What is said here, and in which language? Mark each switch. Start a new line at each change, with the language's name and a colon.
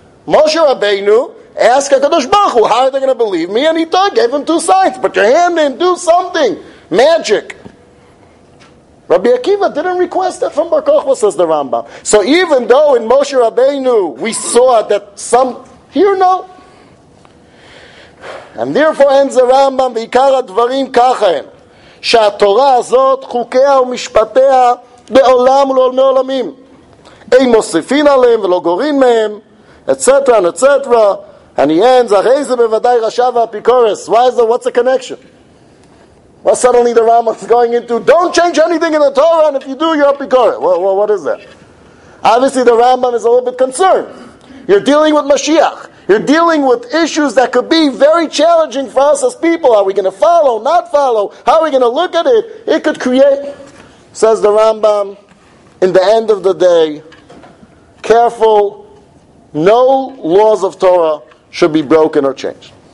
English: Moshe Rabbeinu asked HaKadosh Baruch Hu, how are they going to believe me? And he thought, gave him two signs. Put your hand in, do something. Magic. Rabbi Akiva didn't request that from Bar Kochva, says the Rambam. So even though in Moshe Rabbeinu we saw that some, here no. And therefore ends the Rambam,
Hebrew: ועיקר הדברים ככה הם, שהתורה הזאת חוקיה ומשפטיה בעולם ולעולמי עולמים, אין מוסיפין עליהם ולא גורין מהם,
English: etc. and etc. And he ends,
Hebrew: הרי זה בוודאי רשע ואפיקורס.
English: Why is that? What's the connection? Well, suddenly the Rambam is going into, don't change anything in the Torah, and if you do, you're Apikoros. Well, what is that? Obviously the Rambam is a little bit concerned. You're dealing with Mashiach. You're dealing with issues that could be very challenging for us as people. Are we going to follow, not follow? How are we going to look at it? It could create, says the Rambam, in the end of the day, careful, no laws of Torah should be broken or changed.